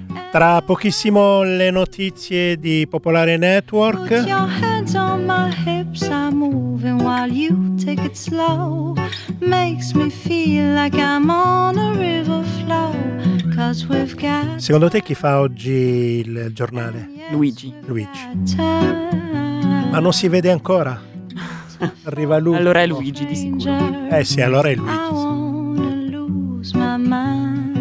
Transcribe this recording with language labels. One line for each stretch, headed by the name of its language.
Italian: Tra pochissimo le notizie di Popolare Network.
English: Put your hands on my hips, I'm moving while you take it slow. Makes me feel like I'm on a river flow. 'Cause we've got.
Italian: Secondo te chi fa oggi il giornale? Luigi. Ma non si vede ancora. Arriva lui. Allora è Luigi di sicuro. Eh sì, allora è Luigi.
English: I wanna lose my mind.